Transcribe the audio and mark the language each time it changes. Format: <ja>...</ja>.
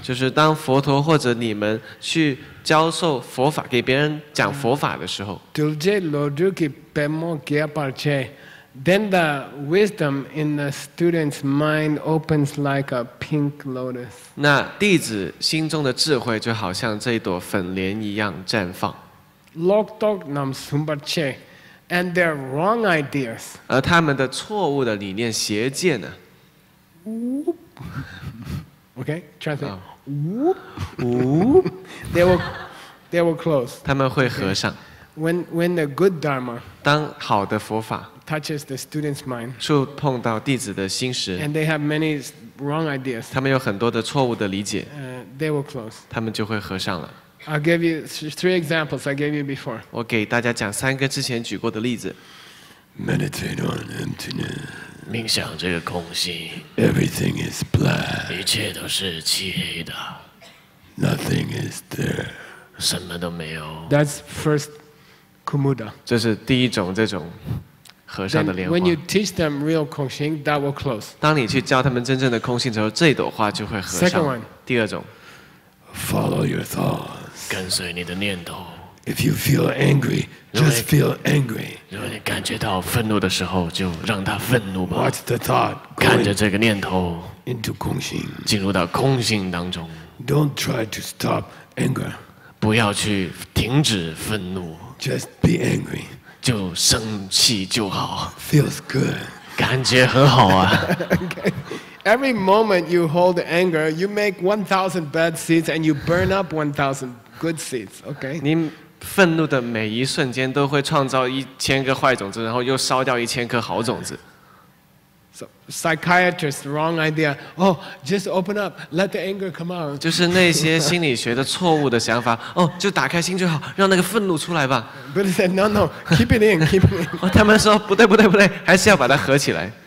<zh>就是当佛陀或者你们去教授佛法给别人讲佛法的时候。</zh> <bo>Dulje loduki pemo gyaparche.</bo> <en>Then the wisdom in the student's mind opens like a pink lotus.</en> <zh>那弟子心中的智慧就好像这朵粉莲一样绽放。</zh> <bo>Loktok nam sumbache,</bo> <en>and their wrong ideas.</en> <zh>而他们的错误的理念邪见呢</zh> <en>？Whoop. Okay, translate. Whoop. Whoop. They will close.</en> <zh>他们会合上。</zh> <en>When the good dharma.</en> <zh>当好的佛法。</zh> <en>touches the student's mind.</en> <zh>触碰到弟子的心时。</zh> <en>And they have many wrong ideas.</en> <zh>他们有很多的错误的理解。</zh> <en>They will close.</en> <zh>他们就会合上了。</zh> <en>I'll give you three examples I gave you before.</en> <zh>我给大家讲三个之前举过的例子。</zh> <en>Meditate on emptiness.</en> <zh>冥想这个空心</zh> <en>Everything is black</en> <zh>一切都是漆黑的</zh> <en>Nothing is there</en> <zh>什么都没有</zh> <en>That's first kumuda</en> <zh>这是第一种这种和尚的莲花</zh> <en>When you teach them real 空心 that will close</en> <zh>当你去教他们真正的空心之后这朵花就会合上</zh> <en>Second one</en> <zh>第二种</zh> <en>Follow your thoughts</en> <zh>跟随你的念头</zh> <en>If you feel angryJust feel angry.</en> <zh>如果你感觉到愤怒的时候，就让他愤怒吧。</zh> <en>Watch the thought.</en> <zh>看着这个念头。</zh> <en>Into 空心。</en> <zh>进入到空心当中。</zh> <en>Don't try to stop anger.</en> <zh>不要去停止愤怒。</zh> <en>Just be angry.</en> <zh>就生气就好。</zh> <en>Feels good.</en> <zh>感觉很好啊。</zh> <en>Every moment you hold anger, you make 1,000 bad seeds and you burn up 1,000 good seeds. Okay.</en> <zh>你愤怒的每一瞬间都会创造一千个坏种子，然后又烧掉一千颗好种子。</zh> <en>So, psychiatrist, wrong idea. Oh, just open up, let the anger come out.</en> <zh>就是那些心理学的错误的想法。哦，就打开心就好，让那个愤怒出来吧。</zh> <en>But he said, no, no, keep it in, keep it in.</en> <zh>他们说不对，不对，不对，还是要把它合起来。</zh>